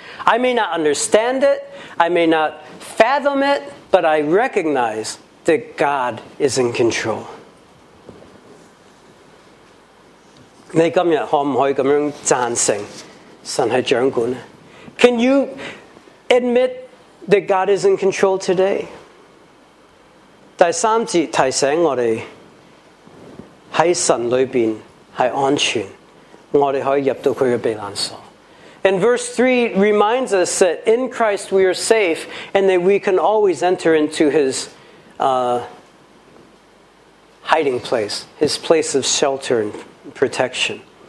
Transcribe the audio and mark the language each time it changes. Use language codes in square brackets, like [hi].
[en] I may not understand it, I may not fathom it, but I recognize that God is in control. [zh] 你今天可不可以这样赞成神是掌管呢? [en] Can you admit that God is in control today? [zh] 第三节提醒我们,在神里面是安全,我们可以入到祂的避难所. [en] And verse 3 reminds us that in Christ we are safe and that we can always enter into His hiding place, His place of shelter and protection.